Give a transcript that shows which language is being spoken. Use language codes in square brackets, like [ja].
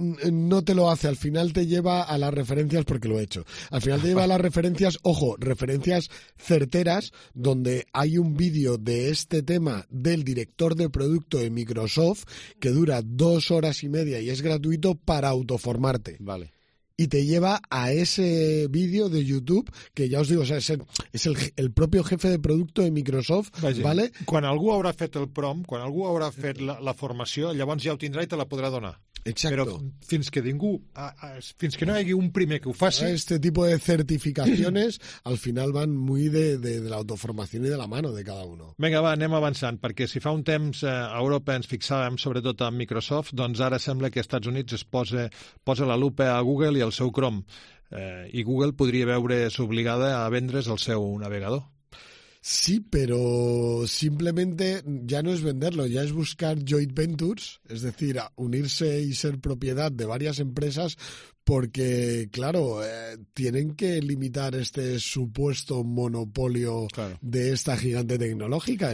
[es] No te lo hace, al final te lleva a las referencias, porque lo he hecho, al final te lleva a las referencias, ojo, referencias certeras, donde hay un vídeo de este tema del director de producto de Microsoft que dura 2 horas y media y es gratuito para autoformarte. Vale. y te lleva a ese vídeo de YouTube, que ya os digo, o sea, es el propio jefe de producto de Microsoft, vaja, ¿vale? [ca] Quan algú haurà fet el prompt, quan algú haurà fet la formació, llavors ja ho tindrà i te la podrà donar. [es] Exacto. [ca] Però fins que ningú, fins que no hi hagi un primer que ho faci... Este tipus de certificacions al final van molt de l'autoformació i [es] de la mano de cada uno. [ca] Vinga, va, anem avançant, perquè si fa un temps a Europa ens fixàvem sobretot en Microsoft, doncs ara sembla que als Estats Units es posa la lupa a Google i al seu Chrome, i Google podria veure's obligada a vendre's el seu navegador. [es] Sí, pero simplemente ya no es venderlo, ya es buscar joint ventures, es decir, unirse y ser propiedad de varias empresas, porque, claro, tienen que limitar este supuesto monopolio, claro, de esta gigante tecnológica.